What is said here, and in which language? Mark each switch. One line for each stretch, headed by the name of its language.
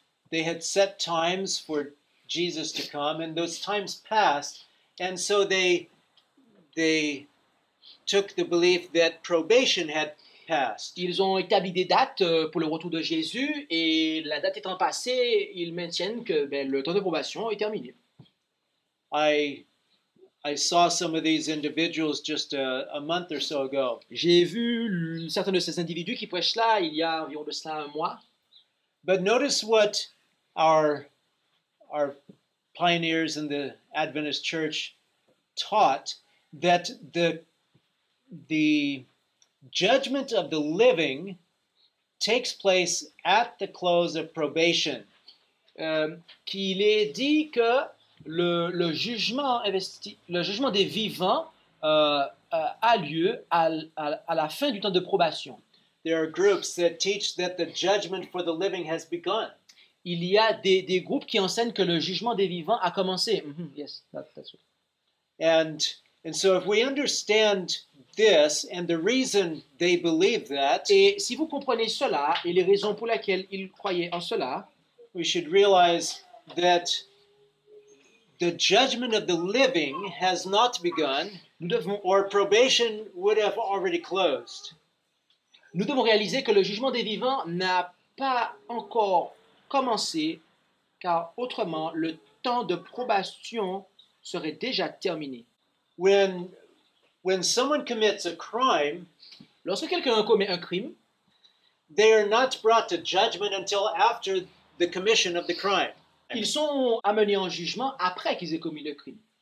English: They had set times for Jesus to come, and those times passed, and so they took the belief that probation had passed.
French: Ils ont établi des dates pour le retour de Jésus, et la date étant passée, ils maintiennent que le temps de probation est terminé.
English: I saw some of these individuals just a month or so ago.
French: J'ai vu certains de ces individus qui prêchent là il y a environ de cela un mois.
English: But notice what our pioneers in the Adventist Church taught, that the judgment of the living takes place at the close of probation.
French: Qu'il est dit que le jugement des vivants a lieu à la fin du temps de probation.
English: There are groups that teach that the judgment for the living has begun.
French: Il y a des groupes qui enseignent que le jugement des vivants a commencé.
English: Mm-hmm. Yes, that's right. And so if we understand this and the reason they believe that,
French: et si vous comprenez cela et les raisons pour lesquelles ils croyaient en cela,
English: we should realize that the judgment of the living has not begun, or probation would have already closed.
French: Nous devons réaliser que le jugement des vivants n'a pas encore commencer, car autrement le temps de probation serait déjà terminé.
English: When someone commits a crime,
French: lorsque quelqu'un commet un crime,
English: they are not brought to judgment until after the commission of the crime.
French: Ils sont amenés en jugement après qu'ils aient commis le crime.